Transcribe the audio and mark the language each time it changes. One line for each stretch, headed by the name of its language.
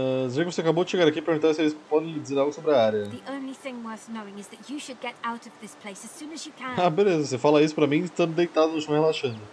Portuguese: Zhang, você acabou de chegar aqui e perguntar se eles podem lhe dizer algo sobre a área.
English: The only thing worth knowing is that you should get out of this place as soon as you can.
Portuguese: Ah, beleza, você fala isso pra mim estando deitado no chão relaxando.